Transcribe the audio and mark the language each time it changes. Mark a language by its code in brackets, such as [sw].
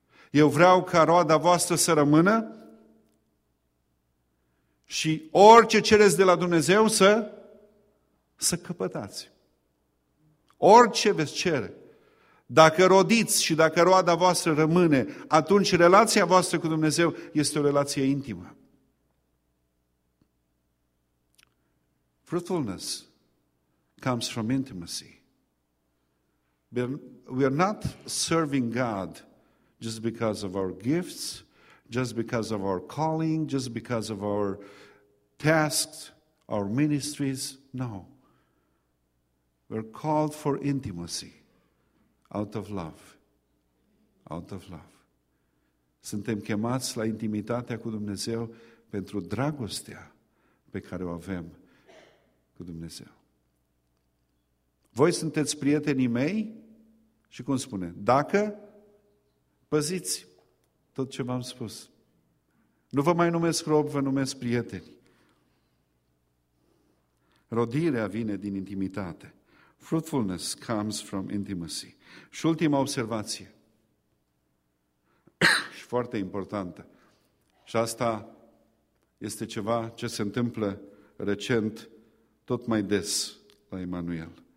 [ro] Eu vreau ca roada voastră să rămână și orice cereți de la Dumnezeu să căpătați. Orice veți cere. Dacă rodiți și dacă roada voastră rămâne, atunci relația voastră cu Dumnezeu este o relație intimă. [en] Fruitfulness comes from intimacy. We are not serving God just because of our gifts, just because of our calling, just because of our tasks, our ministries. No. We're called for intimacy out of love. Out of love. [ro] Suntem chemați la intimitatea cu Dumnezeu pentru dragostea pe care o avem cu Dumnezeu. Voi sunteți prietenii mei și cum spune? Dacă păziți tot ce v-am spus. Nu vă mai numesc rob, vă numesc prieteni. Rodirea vine din intimitate. [en] Fruitfulness comes from intimacy. [ro] Și ultima observație, și foarte importantă, Și asta este ceva ce se întâmplă recent tot mai des la Emanuel.